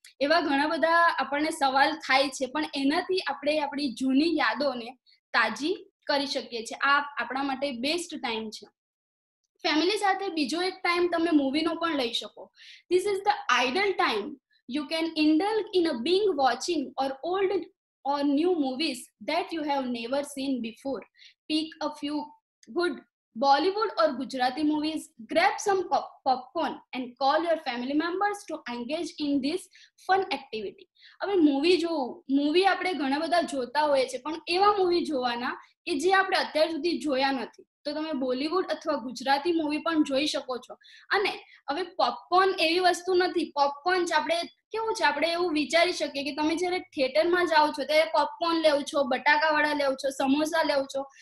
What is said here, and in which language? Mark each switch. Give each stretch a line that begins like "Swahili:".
Gujarati: એવા ઘણા બધા આપણને સવાલ થાય છે, પણ એનાથી આપણે આપણી જૂની યાદોને તાજી કરી શકીએ છીએ. આ આપણા માટે બેસ્ટ ટાઈમ છે. ફેમિલી સાથે બીજો એક ટાઈમ તમે મૂવીનો પણ લઈ શકો.
English: This is the ideal time. You can indulge in a binge watching or old or new movies that you have never seen before. Pick a few good Bollywood or Gujarati movies, grab some popcorn and call your family members to engage in this fun activity.
Gujarati: હવે movie જો movie આપણે ઘણા બધા જોતા હોઈએ છે, પણ એવા મૂવી જોવાના કે જે આપણે અત્યાર સુધી જોયા નથી. તો તમે બોલિવૂડ અથવા ગુજરાતી મૂવી પણ જોઈ શકો છો. અને હવે પોપકોર્ન એવી વસ્તુ નથી, પોપકોર્ન આપણે કેવું છે, આપણે એવું વિચારી શકીએ કે તમે જ્યારે થિયેટરમાં જાઓ છો ત્યારે પોપકોર્ન લેવ છો, બટાકાવાળા લેવ છો, સમોસા લેવ છો.